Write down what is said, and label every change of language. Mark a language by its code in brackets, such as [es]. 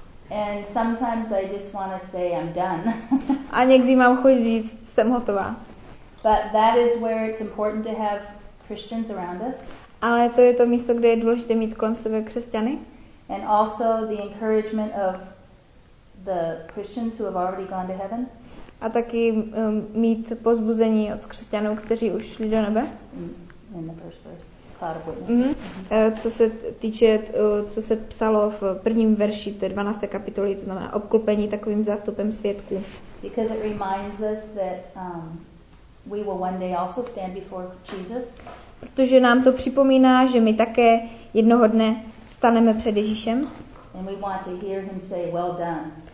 [en] And sometimes I just want to say I'm done. [cs] A někdy mám chuť říct, jsem hotová. [en] But that is where it's important to have Christians around us. [cs] Ale to je to místo, kde je důležité mít kolem sebe křesťany. [en] And also the encouragement of the Christians who have already gone to heaven. [cs] A taky mít pozbuzení od křesťanů, kteří už šli do nebe. [en] In the first verse, cloud of witnesses. Mm-hmm. [cs] Co se týče, co se psalo v prvním verši té 12. kapitoly, to znamená obklopení takovým zástupem svědků. [en] Because it reminds us that we will one day also stand before Jesus. [cs] Protože nám to připomíná, že my také jednoho dne staneme před Ježíšem. [en] And we want to hear him say, well done.